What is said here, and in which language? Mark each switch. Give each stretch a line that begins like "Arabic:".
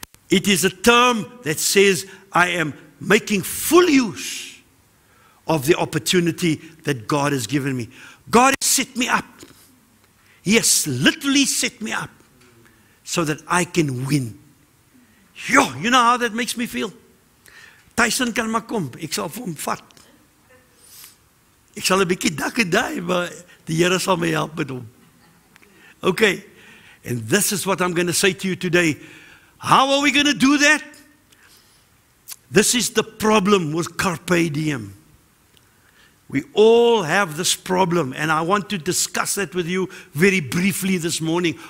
English: It is a term that says, I am making full use of the opportunity that God has given me. God has set me up. He has literally set me up so that I can win. Yo, you know how that makes me feel?
Afrikaans: Tyson kan maar kom, ek sal vir hom vat. Ek sal 'n bietjie dakke daai, maar die Here sal my help met hom.
English: Okay, and this is what I'm going to say to you today. How are we going to do that? This is the problem with carpe diem. We all have this problem, and I want to discuss that with you very briefly this morning.